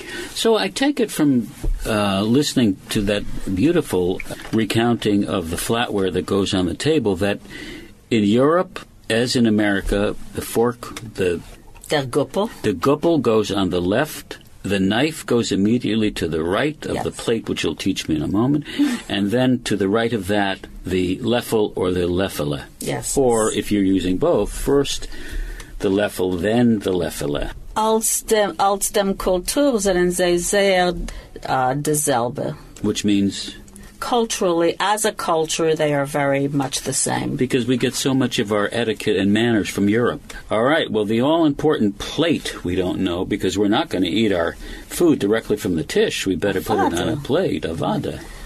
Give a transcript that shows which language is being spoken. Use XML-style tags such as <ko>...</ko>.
<en>So I take it from listening to that beautiful recounting of the flatware that goes on the table that in Europe, as in America, the fork, the...</en> <yi>Der Guppel.</yi> <en>The Guppel goes on the left. The knife goes immediately to the right of the plate, which you'll teach me in a moment, and then to the right of that, the leffel or the leffele. Yes. Or if you're using both, first the leffel, then the leffele.</en> <yi>Als dem Kultur sind sie sehr dieselbe.</yi> <en>Which means? Culturally, as a culture, they are very much the same. Because we get so much of our etiquette and manners from Europe. All right, well, the all-important plate we don't know because we're not going to eat our food directly from the Tisch. We better put it on a plate, avada.</en>